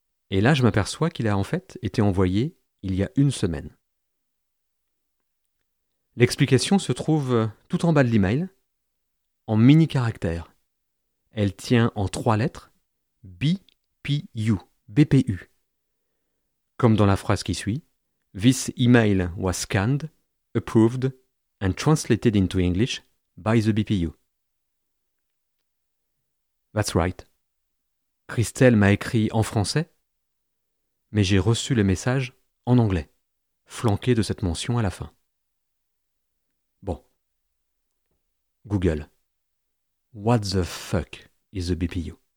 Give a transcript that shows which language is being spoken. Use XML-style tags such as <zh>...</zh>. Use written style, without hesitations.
<fr>Et là, je m'aperçois qu'il a en fait été envoyé il y a une semaine. L'explication se trouve tout en bas de l'email, en mini-caractère. Elle tient en trois lettres, BPU, BPU. Comme dans la phrase qui suit,</fr> <en>« This email was scanned, approved, and translated into English by the BPU. » That's right.</en> <fr>Christelle m'a écrit en français, mais j'ai reçu le message en anglais, flanqué de cette mention à la fin.</fr> <en>Bon. Google. What the fuck is the BPU?</en>